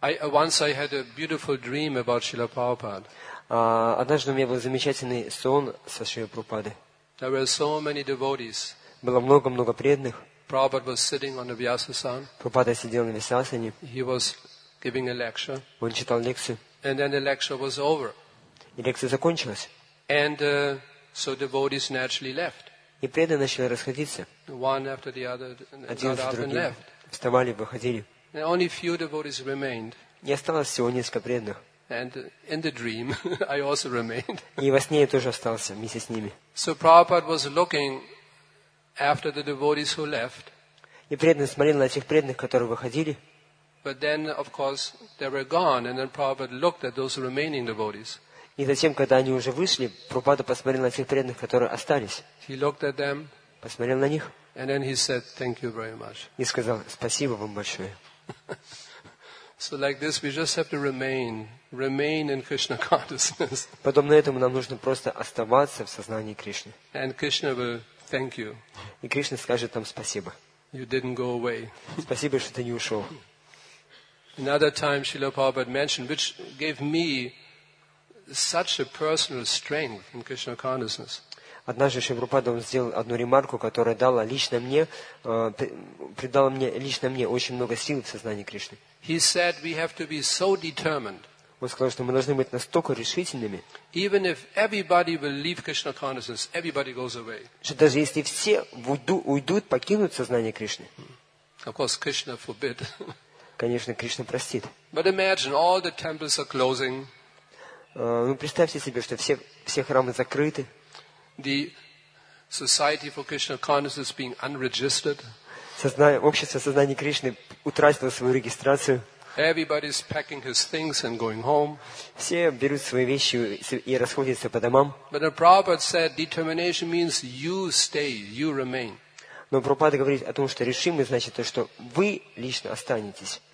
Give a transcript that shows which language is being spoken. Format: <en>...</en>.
<en>Once I had a beautiful dream about Srila Prabhupada.</en> <ru>Однажды у меня был замечательный сон со Шрилой Прабхупадой.</ru> <en>There were so many devotees.</en> <ru>Было много-много преданных.</ru> <en>Prabhupada was sitting on the Vyasasan.</en> <ru>Прабхупада сидел на Вьясасане.</ru> <en>He was giving a lecture.</en> <ru>Он читал лекцию.</ru> <en>And then the lecture was over.</en> <ru>И лекция закончилась.</ru> <en>And so devotees naturally left.</en> <ru>И преданные начали расходиться.</ru> <en>One after the other,</en> <ru>один за другим.</ru> <en>And left.</en> <ru>Вставали, выходили.</ru> <en>And only few devotees remained.</en> <ru>И осталось всего несколько преданных.</ru> <en>And in the dream, I also remained.</en> <ru>И во сне я тоже остался вместе с ними.</ru> <en>So Prabhupada was looking after the devotees who left.</en> <ru>И преданный смотрел на этих преданных, которые выходили.</ru> <en>But then, of course, they were gone, and then Prabhupada looked at those remaining devotees.</en> <ru>И затем, когда они уже вышли, Прабхупада посмотрел на тех преданных, которые остались.</ru> <en>He looked at them.</en> <ru>Посмотрел на них.</ru> <en>And then he said, "Thank you very much."</en> <ru>И сказал: "Спасибо вам большое."</ru> <en>So like this, we just have to remain in Krishna consciousness.</en> <ru>Подобно этому нам нужно просто оставаться в сознании Кришны.</ru> <en>And Krishna will thank you.</en> <ru>И Кришна скажет нам спасибо.</ru> <en>You didn't go away.</en> <ru>Спасибо, что ты не ушел.</ru> <en>Another time, Srila Prabhupada mentioned, which gave me such a personal strength in Krishna consciousness.</en> <ru>Однажды Шрила Прабхупада сделал одну ремарку, которая дала лично мне, придала мне лично мне очень много сил в сознании Кришны.</ru> <en>He said we have to be so determined.</en> <ru>Он сказал, что мы должны быть настолько решительными.</ru> <en>Even if everybody will leave Krishna consciousness, everybody goes away.</en> <ru>Что даже если все уйдут, покинут сознание Кришны.</ru> <en>Of course, Krishna forbid.</en> <ru>Конечно, Кришна простит.</ru> <en>But imagine all the temples are closing.</en> <ru>Ну, представьте себе, что все храмы закрыты.</ru> <en>The Society for Krishna Consciousness being unregistered.</en> <ru>Общество сознания Кришны утратило свою регистрацию.</ru> <en>Everybody's packing his things and going home.</en> <ru>Все берут свои вещи и расходятся по домам.</ru> <en>But the Prabhupada said determination means you stay, you remain.</en> <ru>Но Прабхупада говорит о том, что решимость значит то, что вы лично останетесь.</ru>